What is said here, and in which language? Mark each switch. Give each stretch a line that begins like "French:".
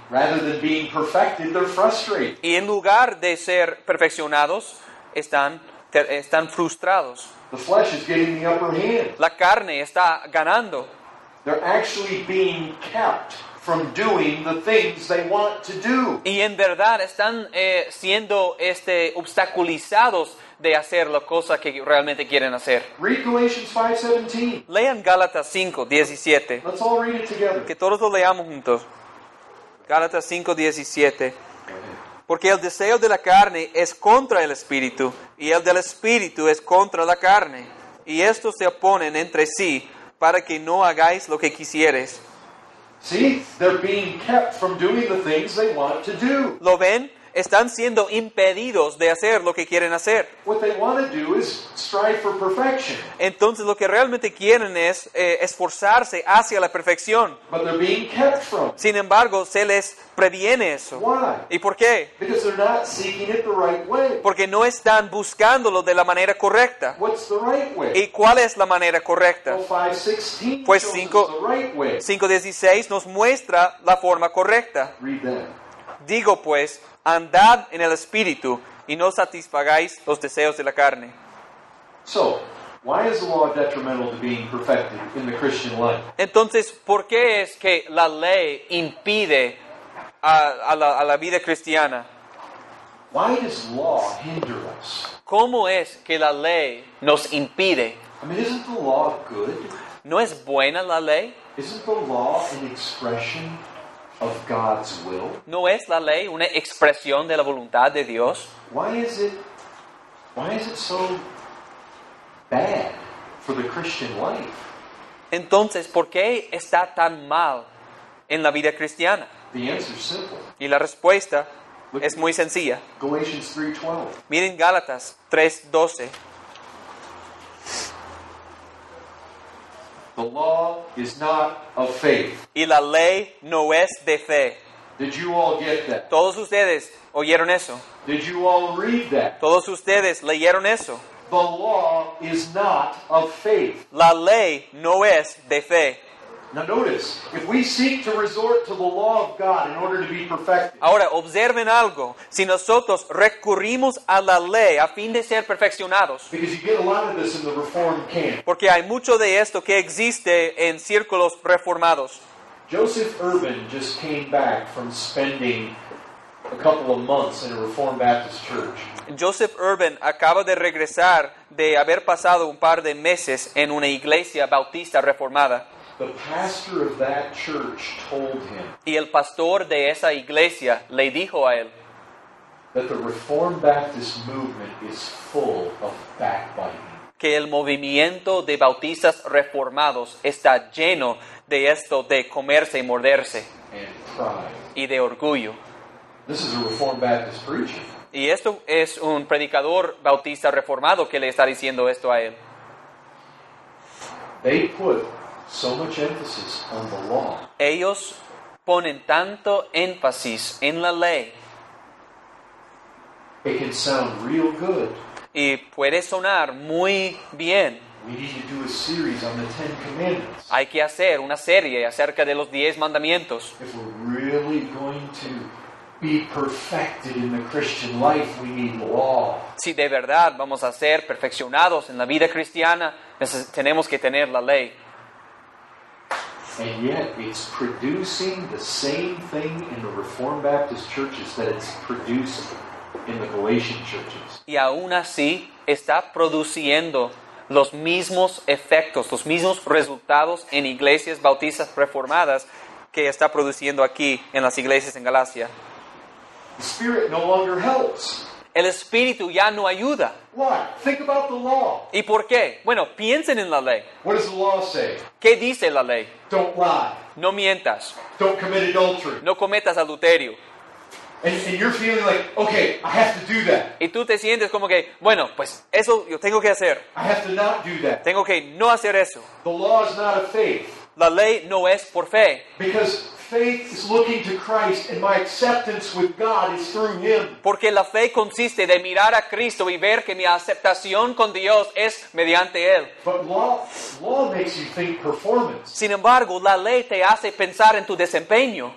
English: Rather than being perfected, they're frustrated.
Spanish: Y en lugar de ser perfeccionados, están frustrados.
English: The flesh is getting the upper hand.
Spanish: La carne está ganando.
English: They're actually being kept from doing the things they want to do.
Spanish: Y en verdad están siendo obstaculizados de hacer la cosa que realmente quieren hacer.
English: Read Galatians 5:17.
Spanish: Lean Gálatas 5:17.
English: Let's all read it together.
Spanish: Que todos lo leamos juntos. Gálatas 5:17. Porque el deseo de la carne es contra el espíritu, y el del espíritu es contra la carne. Y estos se oponen entre sí, para que no hagáis lo que quisieres.
English: See, they're being kept from doing the things they want to do.
Spanish: ¿Lo ven? Están siendo impedidos de hacer lo que quieren hacer.
English: What they want to do is strive for perfection.
Spanish: Entonces lo que realmente quieren es esforzarse hacia la perfección.
English: But they're being kept from.
Spanish: Sin embargo, se les previene eso.
English: Why?
Spanish: ¿Y por qué?
English: Because they're not seeking it the right way.
Spanish: Porque no están buscándolo de la manera correcta.
English: What's the right way?
Spanish: ¿Y cuál es la manera correcta? Pues 5:16 nos muestra la forma correcta.
English: Read that.
Spanish: Digo pues, andad en el Espíritu y no satisfagáis los deseos de la carne.
English: So, why is the law detrimental to being perfected in the Christian life?
Spanish: Entonces, ¿por qué es que la ley impide a la vida cristiana?
English: Why does law hinder us?
Spanish: ¿Cómo es que la ley nos impide?
English: I mean, isn't the law good?
Spanish: ¿No es buena la ley?
English: Isn't the law an expression of God's will?
Spanish: ¿No es la ley una expresión de la voluntad de Dios?
English: Why is it so bad for the Christian life?
Spanish: Entonces, ¿por qué está tan mal en la vida cristiana?
English: The answer is simple.
Spanish: Y la respuesta es muy sencilla.
English: Galatians 3:12.
Spanish: Miren Gálatas 3:12.
English: The law is not of faith.
Spanish: Y la ley no es de fe.
English: Did you all get that?
Spanish: ¿Todos ustedes oyeron eso?
English: Did you all read that?
Spanish: ¿Todos ustedes leyeron eso?
English: The law is not of faith.
Spanish: La ley no es de fe.
English: Now notice, if we seek to resort to the law of God in order to be perfected.
Spanish: Ahora, observen algo. Si nosotros recurrimos a la ley a fin de ser perfeccionados.
English: Because you get a lot of this in the Reformed camp.
Spanish: Porque hay mucho de esto que existe en círculos reformados.
English: Joseph Urban just came back from spending a couple of months in a Reformed Baptist church.
Spanish: Joseph Urban acaba de regresar de haber pasado un par de meses en una iglesia bautista reformada.
English: The pastor of that church told him.
Spanish: Y el pastor de esa iglesia le dijo a él.
English: That the Reformed Baptist movement is full of backbiting.
Spanish: Que el movimiento de bautistas reformados está lleno de esto de comerse y morderse.
English: And pride.
Spanish: Y de orgullo.
English: This is a Reformed Baptist preacher.
Spanish: Y esto es un predicador bautista reformado que le está diciendo esto a él.
English: They put so much emphasis on the law.
Spanish: Ellos ponen tanto énfasis en la ley.
English: It can sound real good.
Spanish: Y puede sonar muy bien.
English: We need to do a series on the Ten Commandments.
Spanish: Hay que hacer una serie acerca de los 10 mandamientos.
English: If we're really going to be perfected in the Christian life, we need law.
Spanish: Si de verdad vamos a ser perfeccionados en la vida cristiana, tenemos que tener la ley.
English: And yet, it's producing the same thing in the Reformed Baptist churches that it's producing in the Galatian churches.
Spanish: Y aún así, está produciendo los mismos efectos, los mismos resultados en iglesias bautistas reformadas que está produciendo aquí en las iglesias en Galacia.
English: The Spirit no longer helps.
Spanish: El Espíritu ya no ayuda.
English: Why? Think about the law.
Spanish: ¿Y por qué? Bueno, piensen en la ley.
English: What does the law say?
Spanish: ¿Qué dice la ley?
English: Don't lie.
Spanish: No mientas.
English: Don't commit adultery.
Spanish: No cometas adulterio.
English: And you're feeling like, okay, I have to do that.
Spanish: Y tú te sientes como que, bueno, pues eso yo tengo que hacer.
English: I have to not do that.
Spanish: Tengo que no hacer eso.
English: The law is not of faith.
Spanish: La ley no es por fe.
English: Because faith is looking to Christ, and my acceptance with God is through Him.
Spanish: Porque la fe consiste de mirar a Cristo y ver que mi aceptación con Dios es mediante Él.
English: But law makes you think performance.
Spanish: Sin embargo, la ley te hace pensar en tu desempeño.